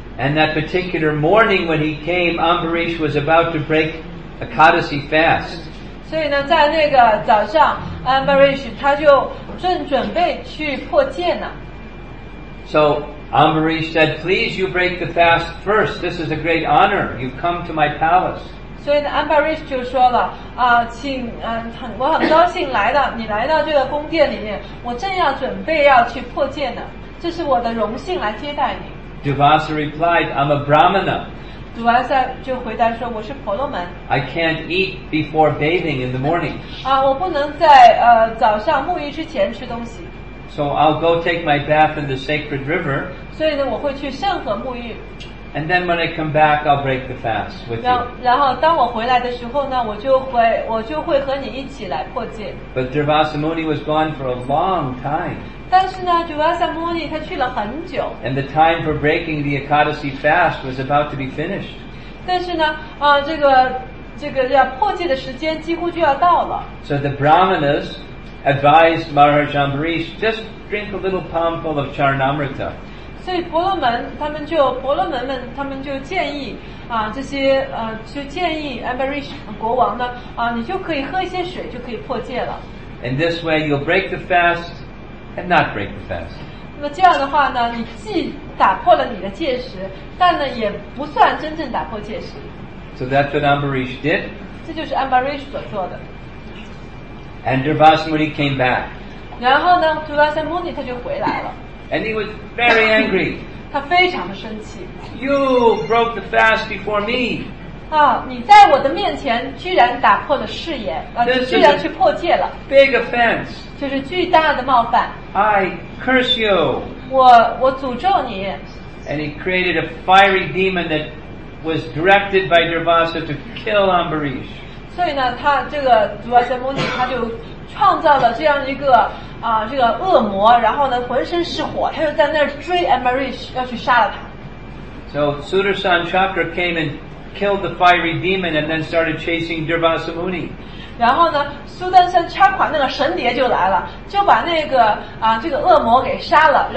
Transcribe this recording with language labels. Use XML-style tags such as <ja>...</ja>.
<en>And that particular morning when he came, Ambarish was about to break Ekadasi fast.</en> <zh>所以呢，在那个早上 ，Ambarish 他就正准备去破戒呢。</zh> <en>So Ambarish said, "Please, you break the fast first. This is a great honor. You've come to my palace."</en> <zh>所以呢 ，Ambarish 就说了啊，请嗯，很我很高兴来的，你来到这个宫殿里面，我正要准备要去破戒呢，这是我的荣幸来接待你。</zh> <en>Durvasa replied, "I'm a Brahmana."</en> <zh>Durvasa 就回答说，我是婆罗门。</zh> <en>I can't eat before bathing in the morning.</en> <zh>啊，我不能在早上沐浴之前吃东西。</zh> <en>So I'll go take my bath in the sacred river.</en> <zh>所以呢，我会去圣河沐浴。</zh> <en>And then when I come back, I'll break the fast with you.</en> <zh>然后当我回来的时候呢，我就会和你一起来破戒。</zh> <en>But Durvasa Muni was gone for a long time.</en> <zh>但是呢 ，Durvasa Muni 他去了很久。</zh> <en>And the time for breaking the Ekadasi fast was about to be finished.</en> <zh>但是呢，啊，这个要破戒的时间几乎就要到了。</zh> <en>So the Brahmanas advised Maharaj Ambarish, just drink a little palmful of Charanamrita.</en> <zh>所以婆罗门们他们就建议啊，这些就建议 Ambarish 国王呢啊，你就可以喝一些水，就可以破戒了。</zh> <en>And this way you'll break the fast and not break the fast.</en> <zh>那么这样的话呢，你既打破了你的戒食，但呢也不算真正打破戒食。</zh> <en>So that's what Ambarish did.</en> <zh>这就是 Ambarish 所做的。</zh> <en>And Durvasa Muni came back.</en> <zh>然后呢 ，Durvasa Muni 他就回来了。</zh> <en>And he was very angry.</en> <zh>他非常的生气。</zh> <en>You broke the fast before me.</en> <zh>啊，你在我的面前居然打破了誓言，啊，居然去破戒了。</zh> <en>Big offense.</en> <zh>就是巨大的冒犯。</zh> <en>I curse you.</en> <zh>我诅咒你。</zh> <en>And he created a fiery demon that was directed by Durvasa to kill Ambarish.</en> <zh>所以呢，他这个 Durvasa Muni 他就创造了这样一个。啊，这个恶魔，然后呢，浑身是火，他就在那儿追 Ambarish 要去杀了他。</zh> <en>So Sudarshan Chakra came and killed the fiery demon, and then started chasing Durvasa Muni.</en> <zh>然后呢，苏丹山恰款那个神蝶就来了，就把那个啊这个恶魔给杀了。</zh>